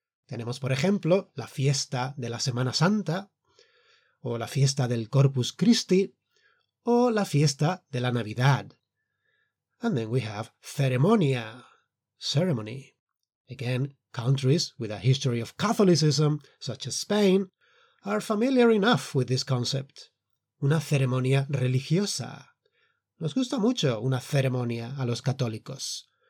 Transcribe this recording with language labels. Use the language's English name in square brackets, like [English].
[Spanish] Tenemos, por ejemplo, la fiesta de la Semana Santa, o la fiesta del Corpus Christi, o la fiesta de la Navidad. [English] And then we have ceremonia, ceremony. Again, countries with a history of Catholicism, such as Spain, are familiar enough with this concept. [Spanish] Una ceremonia religiosa. Nos gusta mucho una ceremonia a los católicos.